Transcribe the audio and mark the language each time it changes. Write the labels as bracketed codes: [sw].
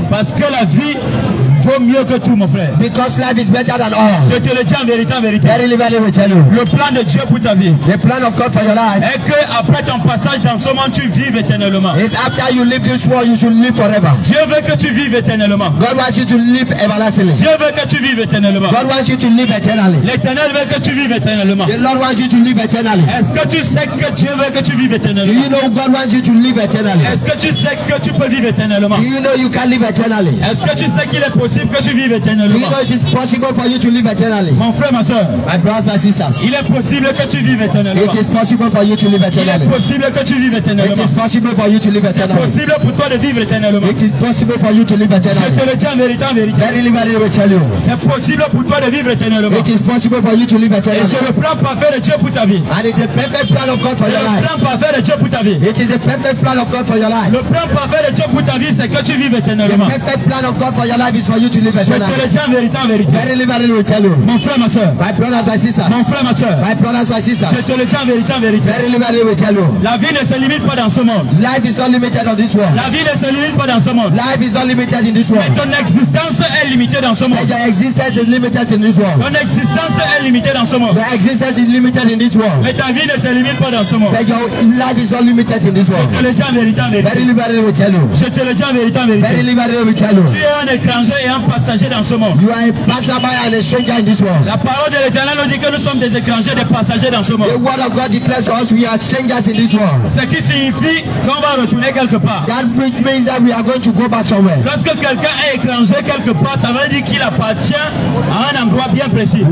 [fr] Parce que la vie vaut mieux que tout, mon frère. [en] Because life is better than all. [fr] Je te le dis en vérité, en vérité. [en] Very, very, very, tell you. [fr] Le plan de Dieu pour ta vie. [en] The plan of God for your life. [fr] Et que après ton passage dans ce monde, tu vives éternellement. [en] It's after you leave this world, you should live forever. [fr] Dieu veut que tu vives éternellement. [en] God wants you to live everlastingly. [fr] Dieu veut que tu vives éternellement. [en] God wants you to live eternally. [fr] L'Éternel veut que tu vives éternellement. [en] The Lord wants you to live eternally. [fr] Est-ce que tu sais que Dieu veut que tu vives éternellement? [en] Do you know God wants you to live eternally? [fr] Est-ce que tu sais que tu peux vivre éternellement? [en] Do you know you can live eternally? [fr] Est-ce que tu sais qu'il est possible? possible que tu vives éternellement. [en] Even it is possible for you to live eternally. [fr] Mon frère, ma soeur. [en] My brothers, my sisters. [fr] Il est possible que tu vives éternellement. [en] It is possible for you to live eternally. [fr] Il est possible que tu vives éternellement. [en] It is possible for you to live eternally. [fr] C'est possible pour toi de vivre éternellement. [en] It is possible for you to live eternally. [fr] Je te le dis en vérité, en vérité. [en] Verily, verily, I tell you. [fr] C'est possible pour toi de vivre éternellement. [en] It is possible for you to live eternally. [fr] Et c'est le plan parfait de Dieu pour ta vie. [en] And it is a perfect plan of God for your life. [fr] Le plan parfait de Dieu pour ta vie. [en] It is a perfect plan of God for your life. [fr] Le plan parfait de Dieu pour ta vie, c'est que tu vives éternellement. [en] The perfect plan of God for your life is for you to live eternally. [fr] Je te le dis en vérité, en vérité. [en] Verily, verily, I tell you. [fr] Mon frère, ma soeur. [en] My brothers, my sisters. [fr] Mon frère, ma soeur. [en] My brothers, my sisters. [fr] Je te le dis en vérité, en vérité. [en] Verily, verily, I tell you. [fr] La vie ne se limite pas dans ce monde. [en] Life is not limited on this world. [fr] La vie ne se limite pas dans ce monde. [en] Life is not limited in this world. [fr] Mais ton existence est limitée dans ce monde. [en] Your existence is limited in this world. [fr] Ton existence est limitée dans ce monde. [en] Your existence is limited in this world. [fr] Mais ta vie ne se limite pas dans ce monde. [en] But your life is not limited in this world. [fr] Je te le dis en vérité, en vérité. [en] Verily, verily, I tell you. [fr] Je te le dis en vérité, en vérité. [en] Verily, verily, I tell you. [fr] Tu es un étranger et un passager dans ce monde. [en] You are a passerby and a stranger in this world. [fr] La parole de l'Éternel nous dit que nous sommes des étrangers, des passagers dans ce monde. [en] The word of God declares to us we are strangers in this world. [fr] Ce qui signifie qu'on va retourner quelque part. [en] That which means that we are going to go back somewhere. [fr] Lorsque quelqu'un est étranger quelque part, ça veut dire qu'il appartient à un endroit bien précis.